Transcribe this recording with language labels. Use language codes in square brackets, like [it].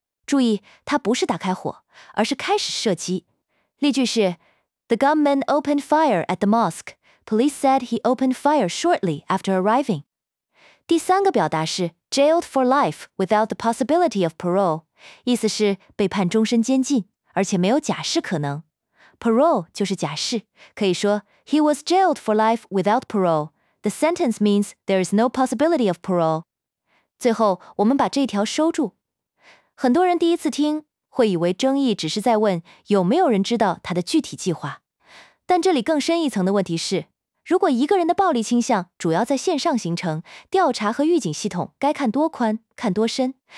[zh] 注意，它不是打开火，而是开始射击。例句是 [en] The gunman opened fire at the mosque. Police said he opened fire shortly after arriving. [zh] 第三个表达是 [en] jailed for life without the possibility of parole， [zh] 意思是被判终身监禁，而且没有假释可能。 [en] Parole [zh] 就是假释，可以说 [en] he was jailed for life without parole。 The sentence means there is no possibility of parole。 [zh] 最后，我们把这条收住。很多人第一次听会以为争议只是在问有没有人知道他的具体计划，但这里更深一层的问题是，如果一个人的暴力倾向主要在线上形成，调查和预警系统该看多宽，看多深？